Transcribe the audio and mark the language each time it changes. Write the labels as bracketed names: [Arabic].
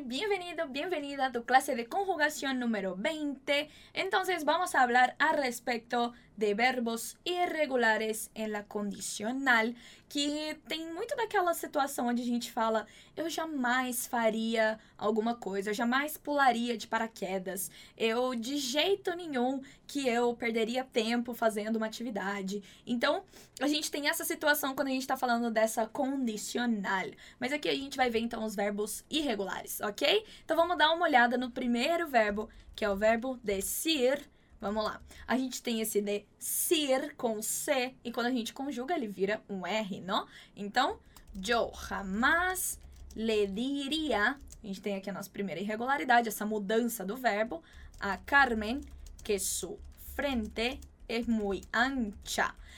[Spanish] Bienvenido, bienvenida a tu clase de conjugación número 20. Entonces vamos a hablar al respecto de verbos irregulares en la condicional, [Portuguese] que tem muito daquela situação onde a gente fala, eu jamais faria alguma coisa, eu jamais pularia de paraquedas, eu de jeito nenhum que eu perderia tempo fazendo uma atividade. Então, a gente tem essa situação quando a gente está falando dessa condicional. Mas aqui a gente vai ver então os verbos irregulares, ok? Então, vamos dar uma olhada no primeiro verbo, que é o verbo decir. Vamos lá. A gente tem esse de ser com C, e quando a gente conjuga, ele vira um R, não? Então, [Spanish] yo jamás le diría. [Portuguese] A gente tem aqui a nossa primeira irregularidade, essa mudança do verbo. [Spanish] A Carmen, que su frente es muy ancha.